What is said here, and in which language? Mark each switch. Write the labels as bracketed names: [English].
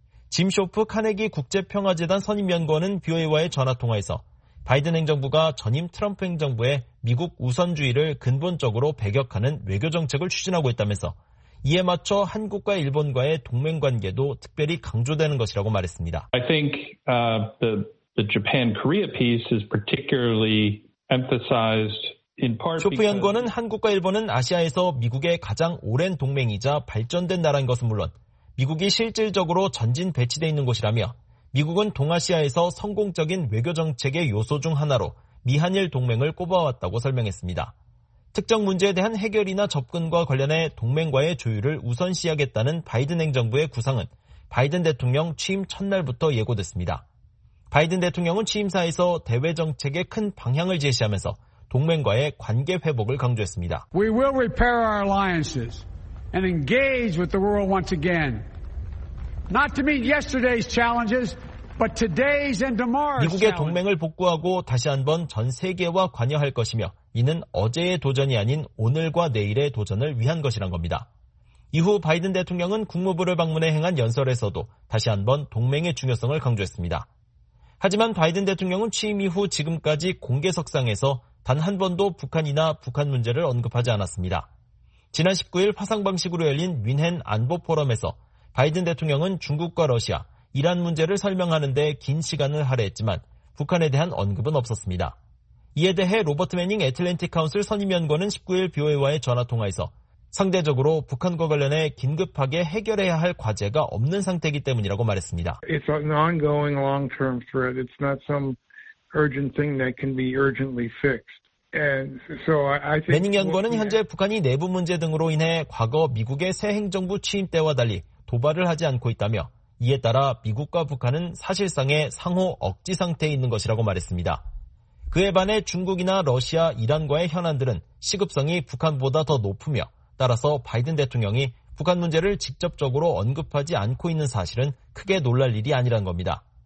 [Korean] 짐 쇼프 카네기 국제평화재단 선임연구원은 BOA와의 전화통화에서 바이든 행정부가 전임 트럼프 행정부의 미국 우선주의를 근본적으로 배격하는 외교정책을 추진하고 있다면서 이에 맞춰 한국과 일본과의 동맹관계도 특별히 강조되는 것이라고 말했습니다. [English] I think the Japan-Korea piece is particularly emphasized in part because [Korean] 쇼프 연구원은 한국과 일본은 아시아에서 미국의 가장 오랜 동맹이자 발전된 나라인 것은 물론 미국이 실질적으로 전진 배치되어 있는 곳이라며 미국은 동아시아에서 성공적인 외교정책의 요소 중 하나로 미한일 동맹을 꼽아왔다고 설명했습니다. 특정 문제에 대한 해결이나 접근과 관련해 동맹과의 조율을 우선시하겠다는 바이든 행정부의 구상은 바이든 대통령 취임 첫날부터 예고됐습니다. 바이든 대통령은 취임사에서 대외정책의 큰 방향을 제시하면서 동맹과의 관계 회복을 강조했습니다. [English] We will repair our alliances and engage with the world once again. Not to meet yesterday's challenges, but today's and tomorrow's challenges. [Korean] 미국의 동맹을 복구하고 다시 한번 전 세계와 관여할 것이며 이는 어제의 도전이 아닌 오늘과 내일의 도전을 위한 것이란 겁니다. 이후 바이든 대통령은 국무부를 방문해 행한 연설에서도 다시 한번 동맹의 중요성을 강조했습니다. 하지만 바이든 대통령은 취임 이후 지금까지 공개석상에서 단 한 번도 북한이나 북한 문제를 언급하지 않았습니다. 지난 19일 화상 방식으로 열린 윈헨 안보 포럼에서 바이든 대통령은 중국과 러시아, 이란 문제를 설명하는 데 긴 시간을 할애했지만 북한에 대한 언급은 없었습니다. 이에 대해 로버트 매닝 애틀랜틱 카운슬 선임연구원은 19일 BOA와의 전화통화에서 상대적으로 북한과 관련해 긴급하게 해결해야 할 과제가 없는 상태이기 때문이라고 말했습니다. [English] It's an ongoing long-term threat. It's not some urgent thing that can be urgently fixed. [Korean] 매닝 연구원은 현재 북한이 내부 문제 등으로 인해 과거 미국의 새 행정부 취임 때와 달리 도발을 하지 않고 있다며 이에 따라 미국과 북한은 사실상의 상호 억지 상태에 있는 것이라고 말했습니다. 그에 반해 중국이나 러시아, 이란과의 현안들은 시급성이 북한보다 더 높으며 따라서 바이든 대통령이 북한 문제를 직접적으로 언급하지 않고 있는 사실은 크게 놀랄 일이 아니라는 겁니다.